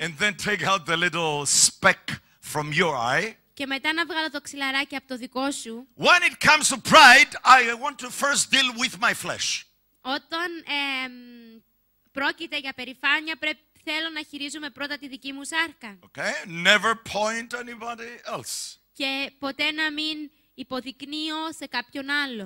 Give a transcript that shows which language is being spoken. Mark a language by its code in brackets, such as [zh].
[en] And then take out the little speck from your eye. [el] Και μετά να βγάλω το ξυλαράκι από το δικό σου. [en] When it comes to pride, I want to first deal with my flesh. [el] Όταν πρόκειται για περηφάνεια, θέλω να χειρίζουμε πρώτα τη δική μου σάρκα. [en] Okay, never point anybody else. [el] Και ποτέ να μην υποδεικνύω σε κάποιον άλλο.